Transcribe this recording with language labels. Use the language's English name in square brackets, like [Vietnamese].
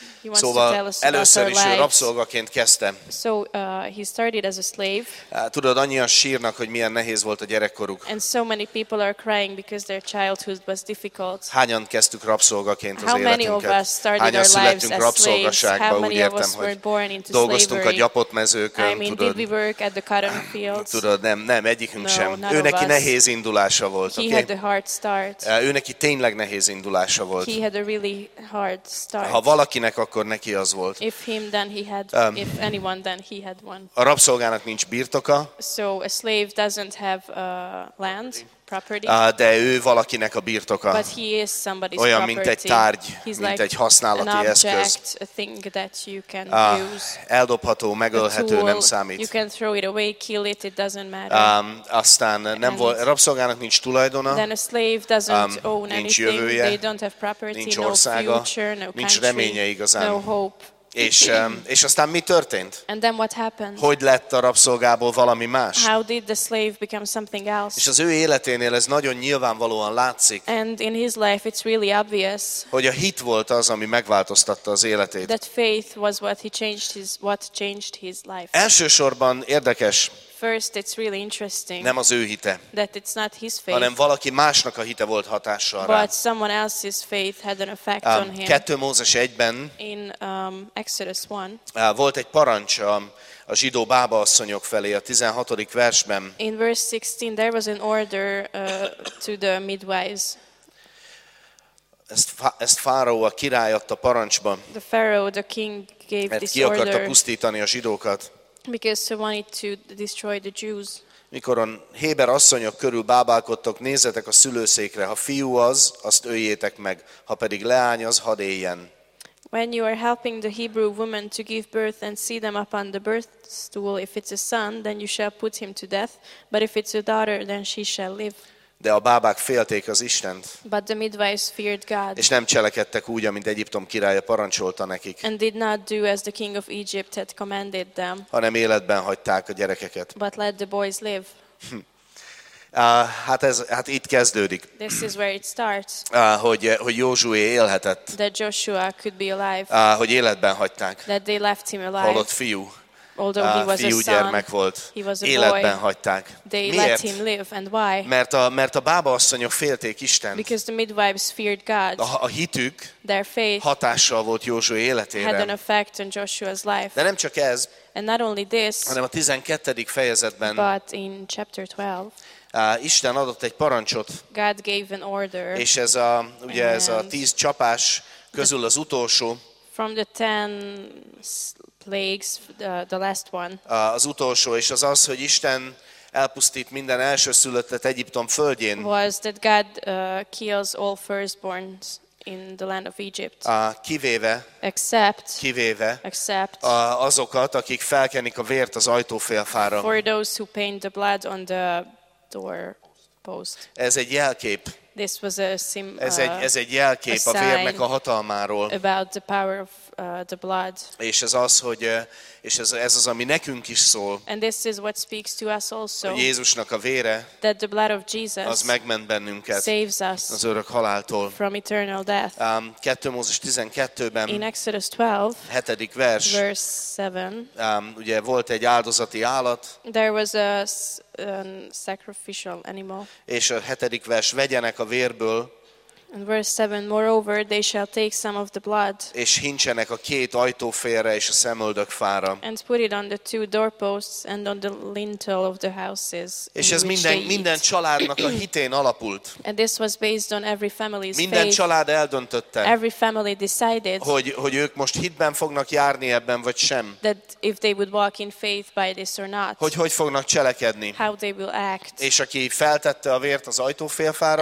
[Hungarian] Szóval először is rabszolgaként kezdte. [English] He started as a slave. [Hungarian] Tudod, annyian sírnak, hogy milyen nehéz volt a gyerekkoruk. [English] And so many people are crying because their childhood was difficult. [Hungarian] Hányan kezdtük rabszolgaként az [English] How [Hungarian] életünket? Hányan születtünk rabszolgaságba, úgy értem, hogy dolgoztunk [English] slavery. [Hungarian] A gyapott mezőkön, tudod. [English] Did we work at the cotton fields? [Hungarian] Tudod, nem egyikünk [English] no, [Hungarian] sem. Ő neki nehéz indulása volt, [English] okay? He had a hard start. [Hungarian] Ő neki tényleg nehéz indulása volt. [English] He had a really hard start. [Hungarian] Ha valakinek akkor neki az volt. [English] If him, then he had, if anyone, then he had one. [Hungarian] A rabszolgának nincs birtoka. [English] So a slave doesn't have land, property. [Hungarian] De ő valakinek a birtoka. [English] But he is somebody's [Hungarian] olyan, [English] property. [Hungarian] Mint egy tárgy, [English] he's [Hungarian] mint [English] like [Hungarian] egy használati eszköz. [English] A thing that you can use. [Hungarian] Eldobható, megölhető, [English] tool, [Hungarian] nem számít. [English] You can throw it away, kill it, it doesn't matter. [Hungarian] Aztán nem volt, a rabszolgának nincs tulajdona. [English] Then a slave doesn't own [Hungarian] nincs Nincs jövője. [English] They don't have property, [Hungarian] nincs országa. [English] No future, no country, [Hungarian] nincs reménye igazán. [English] No hope. [Hungarian] És aztán mi történt? [English] And then what happened? [Hungarian] Hogy lett a rabszolgából valami más? [English] How did the slave become something else? [Hungarian] És az ő életénél ez nagyon nyilvánvalóan látszik. [English] And in his life it's really obvious. [Hungarian] Hogy a hit volt az, ami megváltoztatta az életét. [English] That faith was what changed his life. [Hungarian] Elsősorban érdekes. [English] First, it's really interesting. [Hungarian] Nem az ő hite. [English] That it's not his faith. [Hungarian] Hanem valaki másnak a hite volt hatással rá. [English] But someone else's faith had an effect on him. [Hungarian] 2 Mózes 1-ben. [English] In Exodus 1. [Hungarian] Volt egy parancs a zsidó bába asszonyok felé a 16. versben. [English] In verse 16 there was an order to the midwives. [Hungarian] Ezt Fáraó a király adta parancsba. [English] The Pharaoh, the king gave this order. [Hungarian] Ki akarta pusztítani a zsidókat. [English] Because he wanted to destroy the Jews. [Hungarian] Mikor a héber asszonyok körül bábálkodtok, nézzetek a szülőszékre. Ha fiú az, azt öljétek meg. Ha pedig leány az, hadd éljen. [English] When you are helping the Hebrew woman to give birth and see them upon the birth stool, if it's a son, then you shall put him to death. But if it's a daughter, then she shall live. [Hungarian] De a bábák félték az Istent. [English] But the midwives feared God. [Hungarian] És nem cselekedtek úgy, amint Egyiptom királya parancsolta nekik. [English] And did not do as the king of Egypt had commanded them. [Hungarian] Hanem életben hagyták a gyerekeket. [English] But let the boys live. [Hungarian] Hát itt kezdődik. [English] This is where it starts. [Hungarian] Hogy Józsué élhetett. [English] That Joshua could be alive. [Hungarian] Hogy életben hagyták. [English] That they left him alive. [Hungarian] Holott fiú. [English] Although he was [Hungarian] fiú [English] a son, [Hungarian] gyermek volt, [English] he was a [Hungarian] életben Hagyták. [English] They [Hungarian] miért? [English] Let him live, and why? [Hungarian] Mert a bába asszonyok félték Istent. [English] Because the midwives feared God. [Hungarian] A hitük [English] their faith [Hungarian] hatással volt Józsué életére. [English] Had an effect on Joshua's life. [Hungarian] De nem csak ez, [English] and not only this, [Hungarian] hanem a 12. fejezetben [English] but in chapter 12, [Hungarian] Isten adott egy parancsot, [English] God gave an order, [Hungarian] és ez a, ugye ez a 10 csapás közül az utolsó, [English] from the 10 plagues, the last one. [Hungarian] Az utolsó és az, hogy Isten elpusztít minden elsőszülöttet Egyiptom földjén. [English] Was that God kills all firstborns in the land of Egypt. [Hungarian] Kivéve azokat, akik felkenik a vért az ajtófélfára. [English] For those who paint the blood on the door post. [Hungarian] Ez egy jelkép. [English] This was a sim, [Hungarian] ez egy jelkép a vérnek a hatalmáról. [English] About the power of the blood. [Hungarian] És ez az, hogy és ez az, ami nekünk is szól. [English] And this is what speaks to us also. [Hungarian] Jézusnak a vére. [English] That the blood of Jesus. [Hungarian] Az megment bennünket. [English] Saves us. [Hungarian] Az örök haláltól. [English] From eternal death. [Hungarian] 2 Mózes 12-ben. [English] In Exodus 12. [Hungarian] 7. vers. [English] Verse 7. [Hungarian] Ugye volt egy áldozati állat. [English] There was a sacrificial animal. [Hungarian] És a 7. vers, vegyenek a vérből. [English] And verse 7, moreover, they shall take some of the blood. [Hungarian] És hintsenek a két ajtófélre és a szemöldök fára. [English] And put it on the two doorposts and on the lintel of the houses. [Hungarian] És ez minden családnak a hitén alapult. [English] And this was based on every family's faith. [Hungarian] Minden család eldöntötte. [English] Every family decided. [Hungarian] Hogy ők most hitben fognak járni ebben vagy sem. [English] That if they would walk in faith by this or not. [Hungarian] Hogy fognak cselekedni. [English] How they will act. [Hungarian] És aki feltette a vért az ajtófélfára.